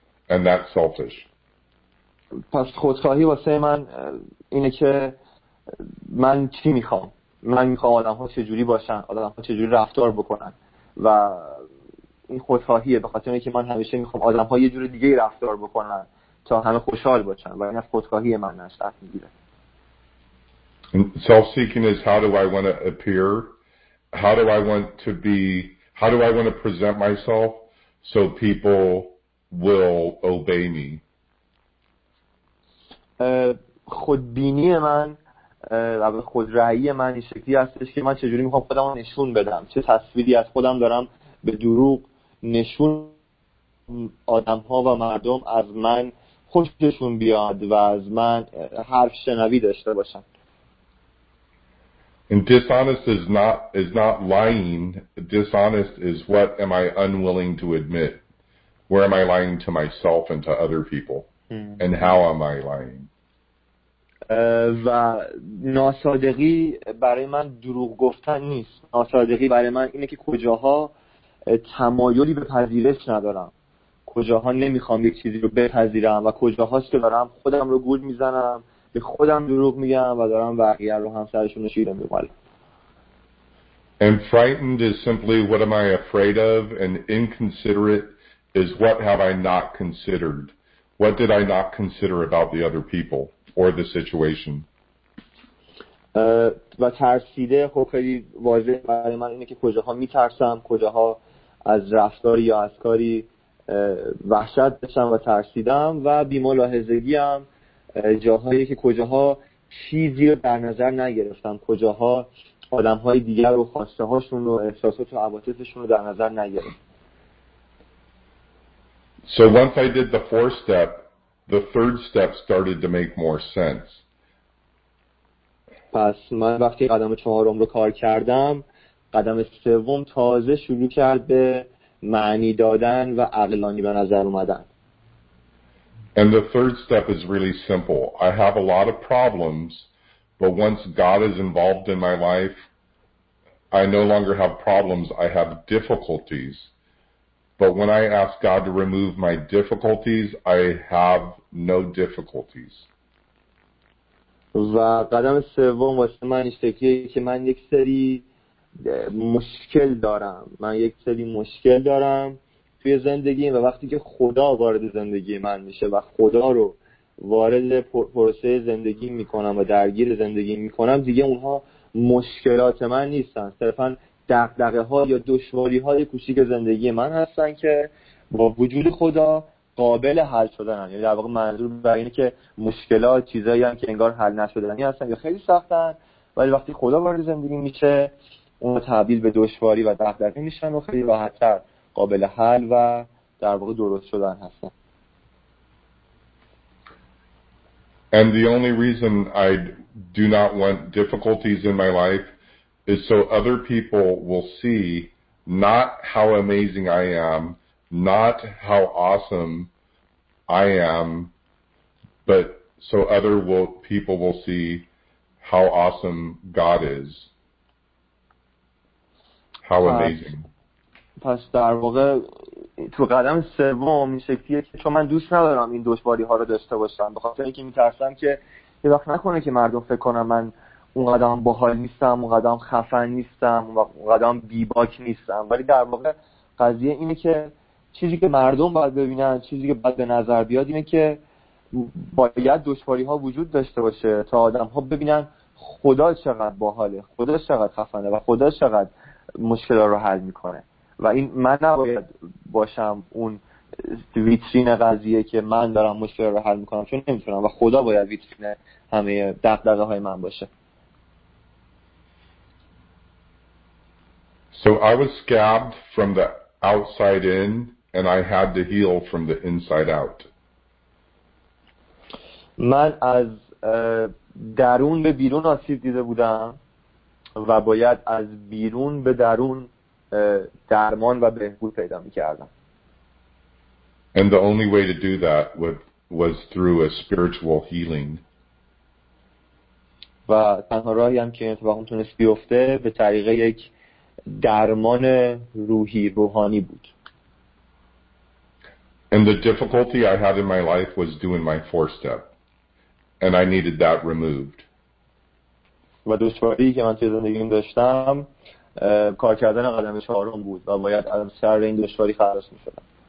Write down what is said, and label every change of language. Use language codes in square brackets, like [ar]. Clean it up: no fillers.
[en] And that's selfish. [fa] پس خودخواهی واسه من اینه که من چی میخوام؟ من میخوام آدم ها چجوری باشن؟ آدم ها چجوری رفتار بکنن؟ و این خودخواهیه به خاطر اینکه من همیشه میخوام آدم ها یه جور دیگه رفتار بکنن تا همه خوشحال باشن، و این از خودخواهی من نشأت میگیره. [en] And self-seeking is how do I want to appear? How do I want to be? How do I want to present myself so people will obey me? [fa] خودبینی من و خودرأیی من این شکلی هستش که من چجوری میخوام خودم رو نشون بدم، چه تصویری از خودم دارم به دروغ نشون، آدم ها و مردم از من خوششون بیاد و از من حرف شنوی داشته باشن. [en] And dishonest is not lying. Dishonest is what am I unwilling to admit? Where am I lying to myself and to other people? And how am I lying? [fa] و ناصادقی برای من دروغ گفتن نیست. ناصادقی برای من اینه که کجاها تمایلی به پذیرش ندارم. کجاها نمیخوام یک چیزی رو بپذیرم و کجاهاش که دارم خودم رو گول میزنم. به خودم دروغ میگم و دارم بقیه رو هم سرشون رو شیره میبالم. [en] And frightened is simply what am I afraid of, and inconsiderate is what have I not considered. What did I not consider about the other people or the situation? [fa] و ترسیده خب خیلی واضح برای من اینه که کجاها میترسم، کجاها از رفتار یا از کاری وحشت داشتم و ترسیدم و بی‌ملاحظگی هم جاهایی که کجاها چیزی رو در نظر نگرفتم، کجاها آدم‌های دیگر و خواسته هاشون و احساسات و عواطفشون رو در نظر نگرفتم. [en] So once I did the fourth step, the third step started to make more sense. [fa] پس من وقتی قدم چهارم رو کار کردم، قدم سوم تازه شروع کرد به معنی دادن و عقلانی به نظر اومدن. [en] And the third step is really simple. I have a lot of problems, but once God is involved in my life, I no longer have problems, I have difficulties. But when I ask God to remove my difficulties, I have no difficulties. [fa] و قدم سوم واسه من این شکلیه که من یک سری مشکل دارم. من یک سری مشکل دارم توی زندگی و وقتی که خدا وارد زندگی من میشه و خدا رو وارد پروسه زندگی میکنم و درگیر زندگی میکنم، دیگه اونها مشکلات من نیستن، صرفا دغدغه ها یا دشواری های کوچیک زندگی من هستن که با وجود خدا قابل حل شدنن. یعنی در واقع منظور بر اینه که مشکلات چیزایی هم که انگار حل نشدنی هستن یا خیلی سختن، ولی وقتی خدا وارد زندگی میشه اونها تبدیل به دشواری و دغدغه میشن و خیلی راحت تر قابل حل و در واقع درست شدن هستن. [en] And the only reason I do not want difficulties in my life is so other people will see not how amazing I am, not how awesome I am, but so other people will see how awesome God is. How amazing. [fa] پس در واقع تو قدم سوم این شکلیه که چون من دوست ندارم این دشواری ها رو داشته باشم، بخاطر اینکه میترسم که یه وقت نکنه که مردم فکر کنم من اون قدم باحال نیستم، اون قدم خفن نیستم، اون قدم بیباک نیستم. ولی در واقع قضیه اینه که چیزی که مردم باید ببینن، چیزی که باید به نظر بیاد اینه که باید دشواری ها وجود داشته باشه تا آدم ها ببینن خدا چقدر باحاله، خدا چقدر خفنه و خدا چقدر مشکل رو حل میکنه. و این من نباید باشم اون ویترین قضیه که من دارم مشکل رو حل میکنم چون نمیتونم، و خدا باید ویترین همه دغدغه های من باشه. [en] So I was scabbed from the outside in and I had to heal from the inside out. [fa] من از درون به بیرون آسیب دیده بودم و باید از بیرون به درون درمان و بهبود پیدا می‌کردم. [en] And the only way to do that was through a spiritual healing. [fa] و تنها راهی هم که اتفاق می‌تونست بیفته به طریق یک درمان روحی روحانی بود. [en] And the difficulty I had in my life was doing my fourth step, and I needed that removed. [fa] و دشواری که من توی زندگیم داشتم کار کردن قدم چهارم بود و باید از سر این دشواری خلاص می‌شدم.